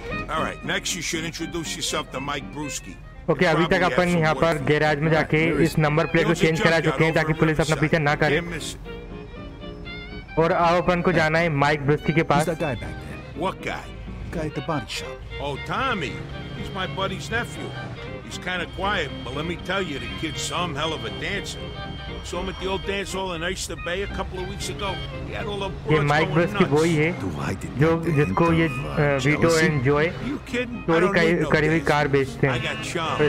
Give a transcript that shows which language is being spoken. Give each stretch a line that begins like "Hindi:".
English: All right, next you should introduce yourself to Mike Bruisky.
Hindi: Okay अभी तक अपन यहाँ पर गैराज में जाके इस नंबर प्लेट को चेंज करा चुके हैं ताकि पुलिस अपना पीछा ना करे और अब अपन को जाना है माइक ब्रूस्की के पास
English: He's kind of quiet, but let me tell you, the kid's some hell of a dancer. Saw him at the old dance hall in Oyster Bay a couple of weeks ago. He had all the boys going nuts. Vito and Joy. You kidding? I don't need no dancers. I got charm.